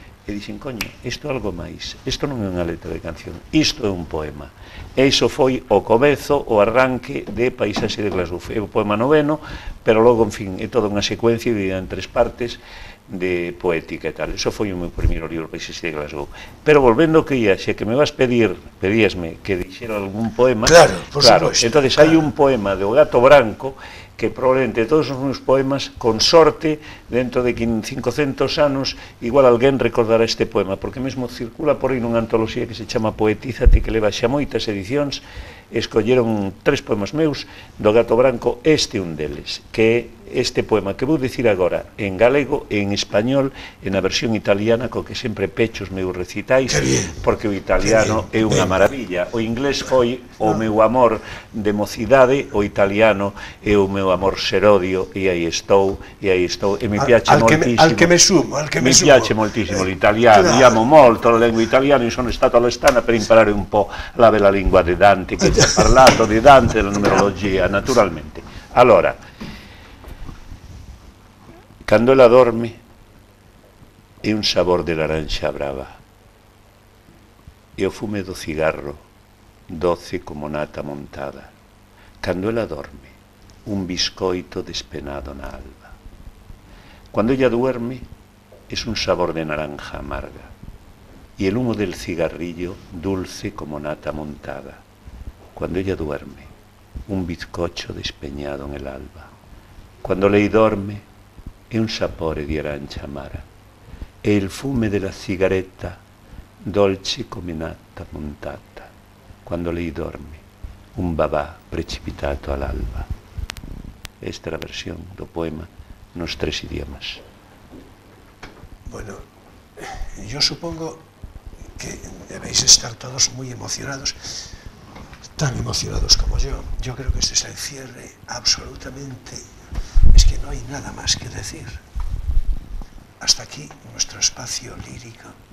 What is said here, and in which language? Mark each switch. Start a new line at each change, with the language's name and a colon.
Galician: E dixen, coño, isto é algo máis, isto non é unha letra de canción, isto é un poema. E iso foi o comezo, o arranque de Paisaxe de Glasgow. É o poema noveno, pero logo, en fin, é toda unha secuencia dividida en tres partes de poética e tal. Iso foi o meu primeiro libro, Paisaxe de Glasgow. Pero volvendo que ia, xa que me vas pedir, pedíasme que dixera algún poema...
Spanish: Claro, por claro, supuesto.
Galician: Entón, claro. Hai un poema de O Gato Branco que probablemente todos os meus poemas, con sorte, dentro de 500 anos, igual alguén recordará este poema, porque mesmo circula por aí nunha antoloxía que se chama Poetízate, que leva xa moitas edicións, escolleron tres poemas meus do Gato Branco, este un deles, que é este poema que vou dicir agora en galego, en español, en a versión italiana, co que sempre pecho os meus recitais, porque o italiano é unha maravilla. O inglés foi o meu amor de mocidade, o italiano é o meu amor serodio, e aí estou, e aí estou,
Italian: e me piace moltísimo.
Spanish: Al que me sumo, al que me sumo.
Italian: Me piace moltísimo l'italiano, claro. Amo molto la lengua italiana, e sono stato all'estana per imparare un po' la bella lingua di Dante, che ha parlato di Dante, della numerologia, naturalmente.
Galician: Allora, cando ela dorme, é un sabor de laranxa brava, e o fume do cigarro, doce como nata montada. Cando ela dorme, un biscoito despenado na alba.
Spanish: Cando ella duerme, es un sabor de naranja amarga, y el humo del cigarrillo, dulce como nata montada. Cuando ella duerme, un bizcocho despeñado en el alba. Cuando
Italian: lei dorme, es un sapore di arancia amara, e el fume de la cigareta, dolce come nata montata. Cuando lei dorme, un babà precipitato all'alba.
Galician: Esta é a versión do poema nos tres idiomas.
Spanish: Bueno, yo supongo que debéis estar todos muy emocionados, tan emocionados como yo. Yo creo que este es el cierre absolutamente... Es que no hay nada más que decir. Hasta aquí nuestro espacio lírico.